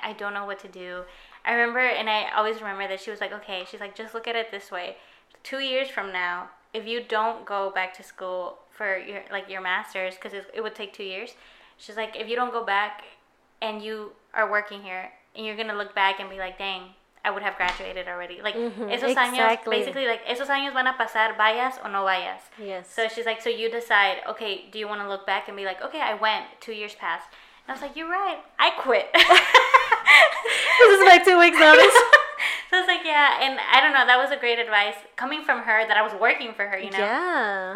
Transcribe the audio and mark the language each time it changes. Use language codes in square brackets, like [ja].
[en] I don't know what to do. I remember, and I always remember that she was like, okay, she's like, just look at it this way. 2 years from now, if you don't go back to school for your, like, your master's, because it would take 2 years. She's like, if you don't go back and you are working here, and you're going to look back and be like, dang, I would have graduated already. Like, [es] esos años, [en] exactly. Basically, like, [es] esos años van a pasar, vayas o no vayas. [en] Yes. So she's like, so you decide, okay, do you want to look back and be like, okay, I went, 2 years passed. And I was like, you're right, I quit. This is like 2 weeks now. So I was like, yeah, and I don't know, that was a great advice coming from her, that I was working for her, you know? Yeah.